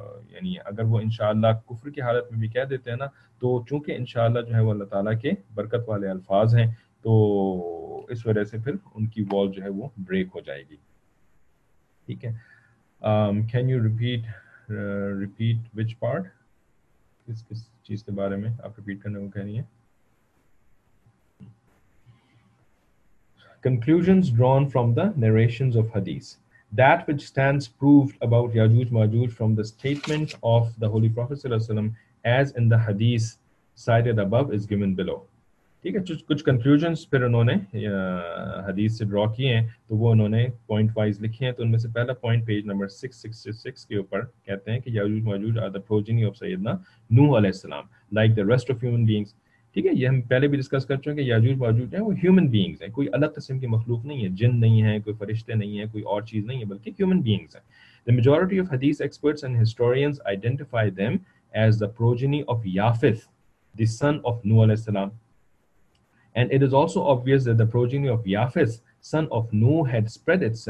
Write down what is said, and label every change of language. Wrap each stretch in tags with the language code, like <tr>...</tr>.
<ur>یعنی اگر وہ انشاءاللہ کفر کی حالت میں بھی کہہ دیتے ہیں نا تو چونکہ انشاءاللہ جو ہے وہ اللہ تعالیٰ کے برکت والے الفاظ ہیں تو اس وجہ سے پھر ان کی وال جو ہے وہ بریک ہو جائے گی ٹھیک ہے</ur> <en>can you repeat which part</en> <ur>کس چیز کے بارے میں آپ ریپیٹ کرنے کو کہہ رہی ہیں</ur> <en>Conclusions drawn from the narrations of hadith. That which stands proved about Yajuj Majuj from the statement of the Holy Prophet Sallallahu Alaihi Wasallam as in the hadith cited above is given below.</en> <ur>ٹھیک ہے کچھ conclusions پھر انہوں نے حدیث سے draw کیے ہیں تو وہ انہوں نے point wise لکھے ہیں تو ان میں سے پہلا point page number 666 کے اوپر کہتے ہیں کہ</ur> <en>Yajuj Majuj are the progeny of سیدنا نوح علیہ السلام like the rest of human beings.</en> <ur>ٹھیک ہے یہ ہم پہلے بھی ڈسکس کر چکے ہیں کہ یاجوج ماجوج ہیں وہ ہیومن بینگز ہیں کوئی الگ قسم کی مخلوق نہیں ہے جن نہیں ہیں کوئی فرشتے نہیں ہیں کوئی اور چیز نہیں ہے بلکہ ہیومن بینگز ہیں</ur> <en>the majority of حدیث experts and historians identify them as the progeny of Yafith the son of نو علیہ السلام and it is also obvious that the progeny of Yafith son of نو had spread</en>